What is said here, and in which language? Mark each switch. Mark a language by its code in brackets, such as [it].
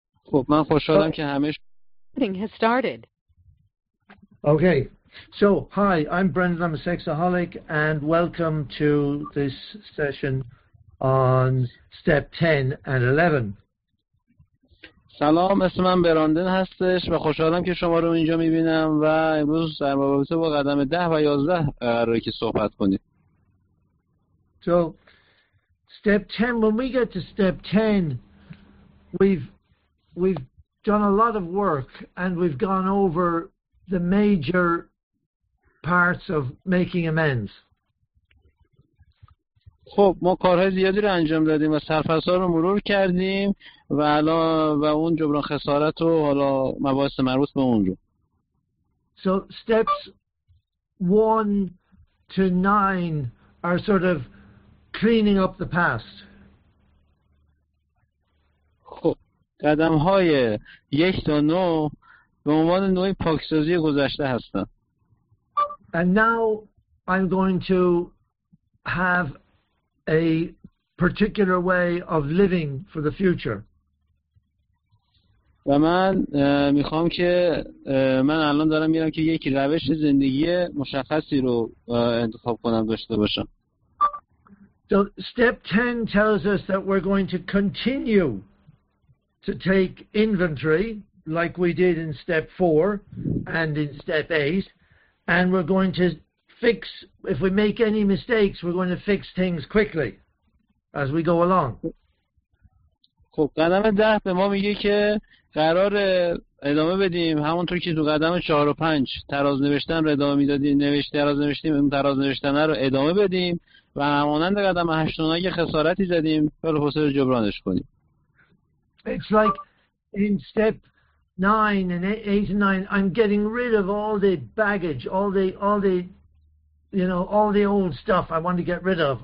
[en] Meeting has started. Okay, so hi, I'm Brendan, I'm a sexaholic, and welcome to this session on step 10 and 11. [fa] سلام، اسم من براندن هستش و خوشحالم که شما رو اینجا میبینم و امروز در رابطه با قدم 10 و 11 قراره که صحبت کنیم. [en] So, step 10, when we get to step 10, we've done a lot of work and we've gone over the major parts of making amends. [fa] خب ما کارهای زیادی رو انجام دادیم و سرفصل‌ها رو مرور کردیم و الان و اون جبران خسارت و حالا مباحث مربوط به اون رو. [en] So steps 1 to 9 are sort of cleaning up the past. [fa] خب قدم‌های 1 تا 9 به عنوان نوع پاکسازی گذشته هستن. [en] And now I'm going to have a particular way of living for the future. [fa] و من میخوام که من الان دارم میرم که یک روش زندگی مشخصی رو انتخاب کنم داشته باشم. [en] So step 10 tells us that we're going to continue to take inventory like we did in step 4 and in step 8, and we're going to fix, if we make any mistakes, we're going to fix things quickly as we go along. [fa] خب قدم 10 به ما میگه که قرار ادامه بدیم همونطور که تو قدم 4 و 5 تراز نوشتن رو ادامه میدادیم، تراز نوشتن رو ادامه بدیم و همانند قدم 8 و 9 که خسارتی زدیم بلافاصله جبرانش کنیم. [en] It's like in step 9 and 8 and 9 I'm getting rid of all the baggage, all the you know, all the old stuff I want to get rid of.